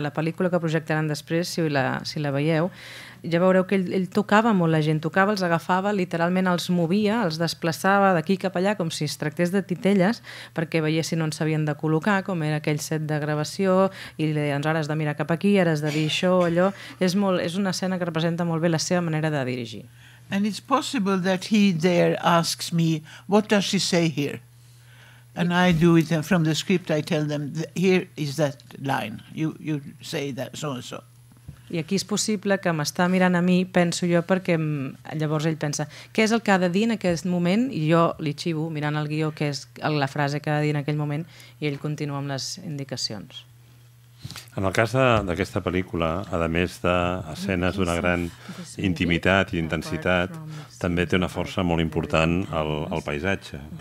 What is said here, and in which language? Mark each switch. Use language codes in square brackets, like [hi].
[ca] La pel·lícula que projectaran després, si la veieu, ja veureu que ell tocava molt la gent, tocava, els agafava, literalment els movia, els desplaçava d'aquí cap allà com si es tractés de titelles perquè veiessin on s'havien de col·locar, com era aquell set de gravació, i li deien, ara has de mirar cap aquí, ara has de dir això o allò. És una escena que representa molt bé la seva manera de dirigir. [en] And it's possible that he there asks me, what does she say here? And I do it from the script, I tell them, here is that line, you say that so and so. [ca] I aquí és possible que m'està mirant a mi, penso jo, perquè llavors ell pensa, què és el que ha de dir en aquest moment? I jo li xivo mirant el guió, que és la frase que ha de dir en aquell moment, i ell continua amb les indicacions. En el cas d'aquesta pel·lícula, a més d'escenes d'una gran intimitat i intensitat, també té una força molt important el paisatge.